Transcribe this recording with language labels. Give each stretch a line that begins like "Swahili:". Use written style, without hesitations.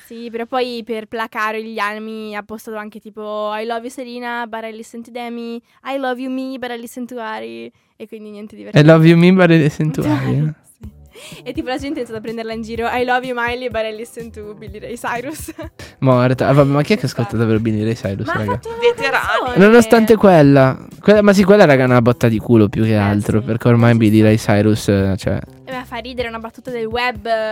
Italian: Sì, però poi per placare gli animi ha postato anche tipo
English: I love you Serena, but I listen to Demi. I love you me, but I listen to Ari.
Italian: E quindi niente divertente.
English: I love you me, but I listen to Ari.
Italian: Sì. E tipo la gente è iniziata a prenderla in giro.
English: I love you Miley, but I listen to Billy Ray Cyrus.
Italian: Morta. Ma chi è che ascolta davvero Billy Ray Cyrus, ma raga? Veterani. Nonostante quella. Ma sì, quella, raga, è una botta di culo più che altro. Sì. Perché ormai Billy Ray Cyrus, cioè... Fa ridere, una battuta del web.